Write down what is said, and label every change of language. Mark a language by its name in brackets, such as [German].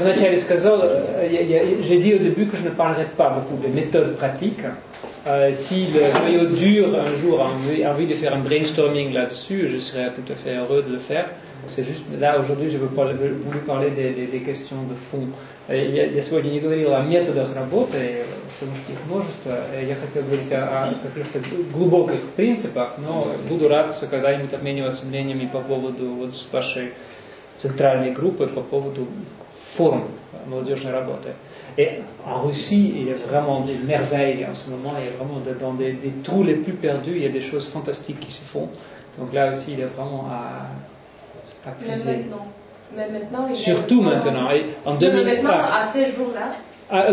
[French] J'ai dit au début que je ne parlerai pas beaucoup des méthodes pratiques. Si le noyau dur un jour a envie de faire un brainstorming là-dessus, je serais tout à fait heureux de le faire. C'est juste là aujourd'hui, je veux voulu parler des questions de fond. [Russian] Я сегодня не говорил о методах работы, потому что их множество. Я хотел говорить о каких-то глубоких принципах, но буду рад когда-нибудь обмениваться мнениями по поводу вот с вашей центральной группы, по поводу форм молодежной работы. [French] Et en Russie, il y a vraiment des merveilles en ce moment. Il y a vraiment dans des trous les plus perdus, il y a des choses fantastiques qui se font. Donc là aussi, il y a vraiment à puiser. Surtout maintenant, et en 2000. Mais maintenant, à ces jours-là,